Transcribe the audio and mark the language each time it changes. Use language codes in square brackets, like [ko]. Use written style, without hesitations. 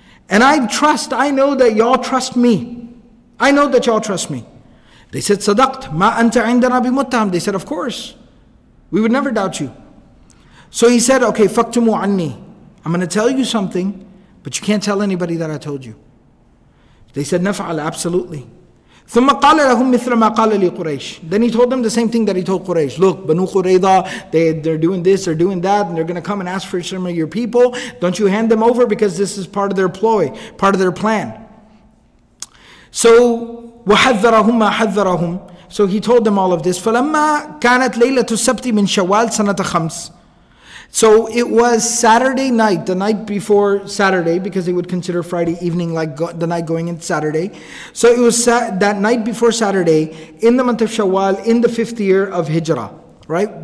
[en] And I trust, I know that y'all trust me. I know that y'all trust me. [ar] They said, صَدَقْتْ مَا أَنْتَ عِنْدَنَا بِمُتَّهَمْ. [en] They said, of course. We would never doubt you. So he said, okay, فَكْتُمُوا عَنِّي. I'm going to tell you something, but you can't tell anybody that I told you. They said, نَفْعَلَ. [ar] Absolutely. ثُمَّ قَالَ لَهُمْ مِثْلَ مَا قَالَ لِقُرَيْشِ. [en] Then he told them the same thing that he told Quraysh. Look, Banu Qurayza, they're doing this, they're doing that, and they're going to come and ask for some of your people. Don't you hand them over because this is part of their ploy, part of their plan. [ar] So, وَحَذَّرَهُمْ مَا حَذَّرَهُمْ. [en] So he told them all of this. [ar] فَلَمَّا كَانَتْ لَيْلَةُ السَّبْتِ مِنْ شَوَالْ سَنَةَ خَمْسِ. [en] So it was Saturday night, the night before Saturday, because they would consider Friday evening like the night going into Saturday. So it was that night before Saturday, in the month of Shawwal, in the fifth year of Hijrah, right?